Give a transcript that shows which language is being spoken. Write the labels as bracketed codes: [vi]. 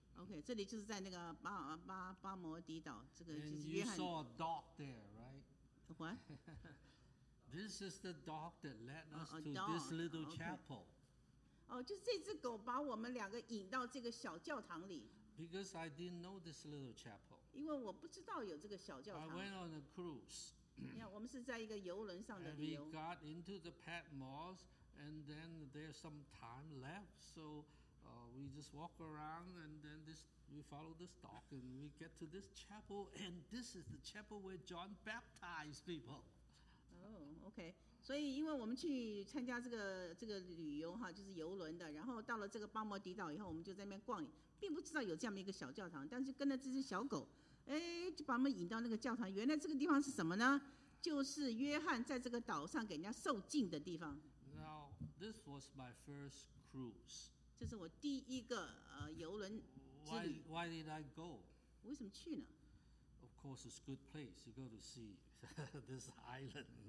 [zh] Okay, 这里就是在那个巴摩迪岛，这个就是约翰。 [en] And you saw a dog there, right? What? This is the dog that led us to this little chapel. Okay. [zh] 哦、就这只狗把我们两个引到这个小教堂里。 [en] Because I didn't know this little chapel. [zh] 因为我不知道有这个小教堂。 [en] I went on a cruise. [zh] 你看，我们是在一个游轮上的旅游。 [en] And we got into the Patmos, and then there's some time left, so we just walk around, and then we follow this dog, and we get to this chapel, and this is the chapel where John baptized people. Oh, okay. [zh] 所以因为我们去参加这个旅游哈，就是游轮的，然后到了这个巴摩迪岛以后，我们就在那边逛，并不知道有这样一个小教堂，但是跟着这只小狗，哎，就把我们引到那个教堂。原来这个地方是什么呢？就是约翰在这个岛上给人家受浸的地方。 [en] Now, this was my first cruise. [zh] 这是我第一个游轮之旅。 [en] Why did I go? [zh] 为什么去呢？ [en] Of course, it's a good place to go to see this island.